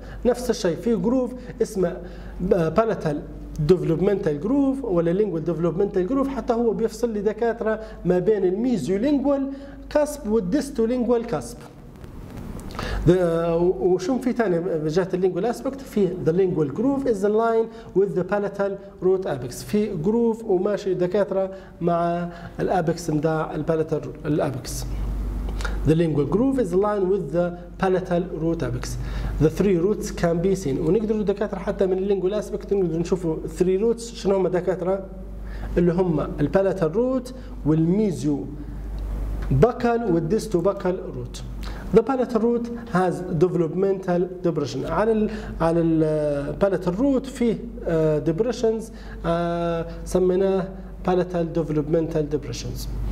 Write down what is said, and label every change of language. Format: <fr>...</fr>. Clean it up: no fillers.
<ar>نفس الشيء في جروف اسمه palatal developmental groove ولا lingual developmental groove حتى هو بيفصل لي دكاترة ما بين الميزيولينجوال كاسب والديستولينجوال كاسب. وشو في تاني بجهة اللينجوال اسبكت؟ في</ar> <en>the lingual groove is aligned with the palatal root apex.</en> <ar>في جروف وماشي دكاترة مع الابكس مدع البالتال الابكس.</ar> <en>The lingual groove is aligned with the palatal root apex. The three roots can be seen.</en> <ar>ونقدر الدكاترة حتى من اللينجوال اسبكت نقدر نشوفوا three roots. شنو هم دكاترة؟ اللي هم البالتال روت والميزيو بكل والديستو بكل روت.</ar> <en>The palatal root has developmental depression. على ال palatal root فيه depressions سميناه palatal developmental depressions.</en>